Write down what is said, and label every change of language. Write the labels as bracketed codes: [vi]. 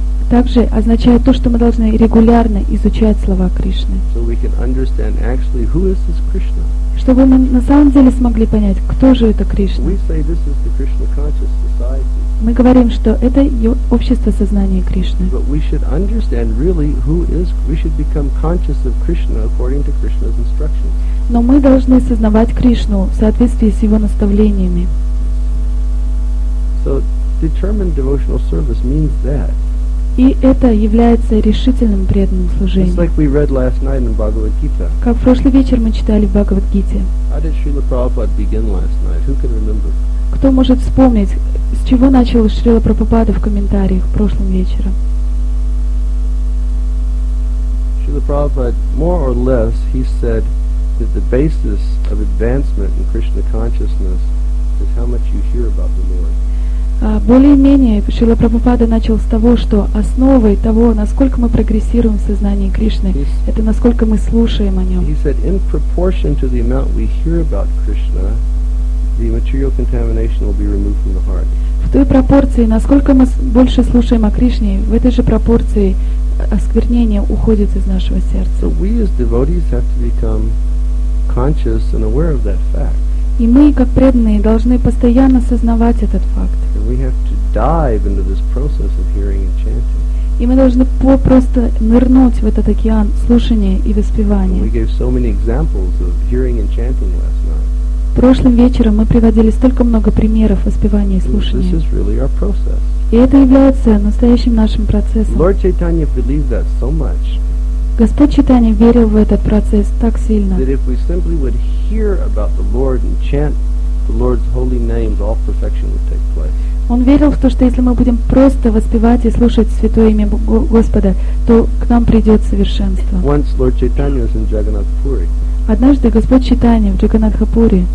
[ru] Также означает то, что мы должны регулярно изучать слова Кришны. [en] So we can understand actually who is this Krishna. [ru] Чтобы мы на самом деле смогли понять, кто же это Кришна. [en] We say this is the Krishna conscious society. [ru] Мы говорим, что это общество сознания Кришны. [en] But we should understand really who is. We should become conscious of Krishna according to Krishna's instructions. [ru] Но мы должны сознавать Кришну в соответствии с его наставлениями. [en] So determined devotional service means that. [ru] И это является решительным преданным служением. [en] Just like we read last night in Bhagavad Gita. [ru] Как в прошлый вечер мы читали в Бхагавад Гите. [en] How did Srila Prabhupada begin last night? Who can remember? [ru] Кто может вспомнить, с чего начал Шрила Прабхупада в комментариях прошлым вечером? [en] Шрила Прабхупада, more or less, he said that the basis of advancement in Krishna consciousness is how much you hear about the Lord. [ru] Более-менее Шрила Прабхупада начал с того, что основой того, насколько мы прогрессируем в сознании Кришны, это насколько мы слушаем о нем. [en] He said, in proportion to the amount we hear about Krishna, the material contamination will be removed from the heart. [ru] В той пропорции, насколько мы больше слушаем о Кришне, в этой же пропорции осквернение уходит из нашего сердца. [en] So we as devotees have to become conscious and aware of that fact. [ru] И мы, как преданные, должны постоянно сознавать этот факт. [en] And we have to dive into this process of hearing and chanting. [ru] И мы должны просто нырнуть в этот океан слушания и воспевания. [en] And we gave so many examples of hearing and chanting last night. [ru] Прошлым вечером мы приводили столько много примеров воспевания и слушания. [en] This is really our process. [ru] И это является настоящим нашим процессом. [en] Lord Chaitanya believed that so much. [ru] Господь Чайтанья верил в этот процесс так сильно. [en] That if we simply would hear about the Lord and chant the Lord's holy names, all perfection would take place. [ru] Он верил в то, что если мы будем просто воспевать и слушать святое имя Господа, то к нам придет совершенство. [en] Once Lord Chaitanya was in Jagannath Puri. [ru] Однажды Господь Чайтанья в Джаганатхапуре.